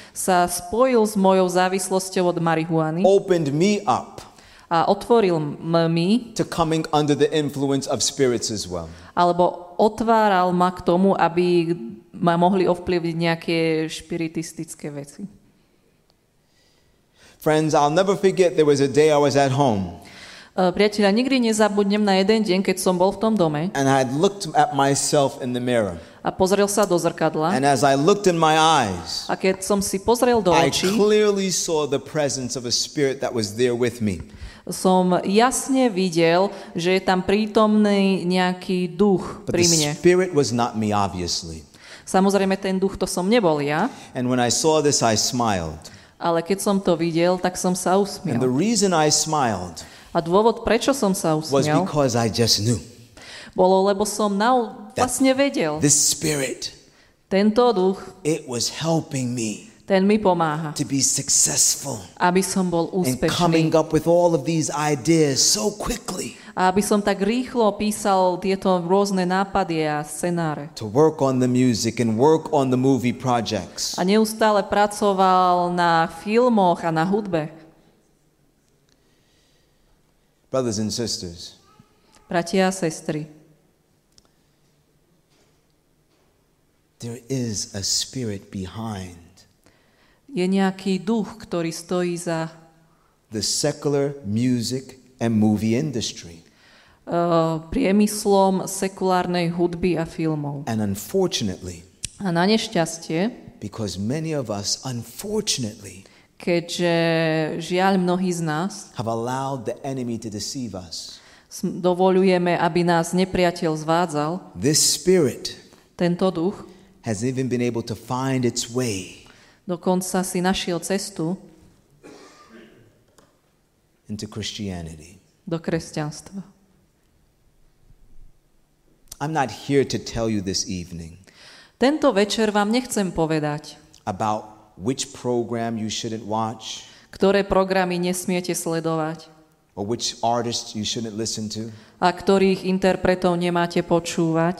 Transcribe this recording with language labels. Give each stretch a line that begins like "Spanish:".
Slovak: Sa spojil s mojou závislosťou od marihuany.
English: Opened me up.
Slovak: A otvoril mi
English: to coming under the influence of spirits as well.
Slovak: Alebo otváral ma k tomu, aby ma mohli ovplyvniť nejaké špiritistické veci.
English: Friends, I'll never forget there was a day I was at home.
Slovak: Priatelia, nikdy nezabudnem na jeden deň, keď som bol v tom dome.
English: And I looked at myself in the mirror.
Slovak: A pozrel sa do zrkadla.
English: And as I looked in my eyes.
Slovak: A keď som si pozrel do očí.
English: I clearly saw the presence of a spirit that was there with me.
Slovak: Som jasne videl, že je tam prítomný nejaký duch pri mne.
English: But the spirit was not me, obviously.
Slovak: Samozrejme, ten duch to som nebol ja.
English: And when I saw this, I smiled.
Slovak: Ale keď som to videl, tak som sa usmial.
English: And the reason I smiled.
Slovak: A dôvod, prečo som sa usmial,
English: was because I just knew.
Slovak: Bolo, lebo som vlastne vedel.
English: This spirit.
Slovak: Tento duch.
English: It was helping me.
Slovak: Ten mi pomáha.
English: To be successful.
Slovak: Aby som bol úspešný.
English: And coming up with all of these ideas so quickly.
Slovak: A aby som tak rýchlo písal tieto rôzne nápady a scenáre.
English: To work on the music and work on the movie projects.
Slovak: A neustále pracoval na filmoch a na hudbe.
English: Brothers and sisters.
Slovak: Bratia a sestry.
English: There is a spirit behind.
Slovak: Je nejaký duch, ktorý stojí za
English: the secular music and movie industry.
Slovak: Priemyslom sekulárnej hudby a filmov.
English: And unfortunately,
Slovak: a na nešťastie,
English: because many of us, unfortunately,
Slovak: keďže žiaľ mnohí z nás,
English: have allowed the enemy to deceive us,
Slovak: dovoľujeme, aby nás nepriateľ zvádzal,
English: this spirit,
Slovak: tento duch,
English: has even been able to find its way,
Slovak: dokonca si našiel cestu,
English: into Christianity,
Slovak: do kresťanstva.
English: I'm not here to tell you this evening.
Slovak: Tento večer vám nechcem povedať.
English: About which program you shouldn't watch.
Slovak: Ktoré programy nesmiete sledovať.
English: Or which artists you shouldn't listen to.
Slovak: A ktorých interpretov nemáte počúvať.